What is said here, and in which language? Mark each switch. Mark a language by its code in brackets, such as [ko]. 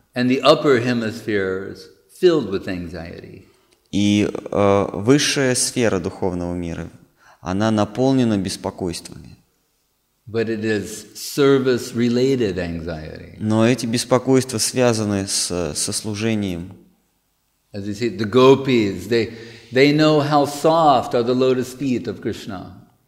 [en] And the upper hemisphere is filled with anxiety. [ru] И высшая сфера духовного мира, она наполнена беспокойствами. [en] But it is service-related anxiety. [ru] Но эти беспокойства связаны со служением. [en] As you see, the gopis, they know how soft are the lotus feet of Krishna.